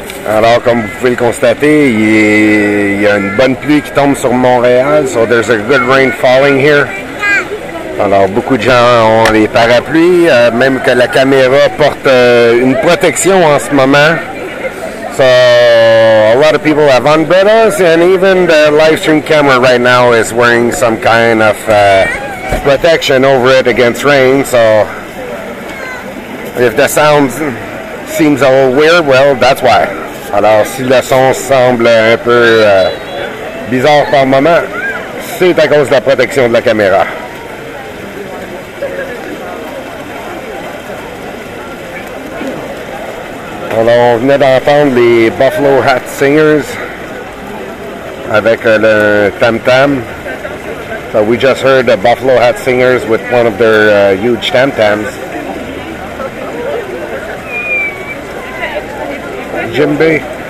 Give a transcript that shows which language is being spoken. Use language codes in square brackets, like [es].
[fr] Alors, comme vous pouvez le constater, il y a une bonne pluie qui tombe sur Montréal. [en] So there's a good rain falling here. [fr] Alors, beaucoup de gens ont les parapluies, même que la caméra porte une protection en ce moment. [en] So, a lot of people have umbrellas, and even the live stream camera right now is wearing some kind of protection over it against rain. So, if the sound seems a little weird, well, that's why. [fr] Alors, si le son semble un peu bizarre par moment, c'est à cause de la protection de la caméra. Alors, on venait d'entendre les Buffalo Hat Singers avec le tam-tam. [en] So we just heard the Buffalo Hat Singers with one of their huge tam-tams. Jimbe.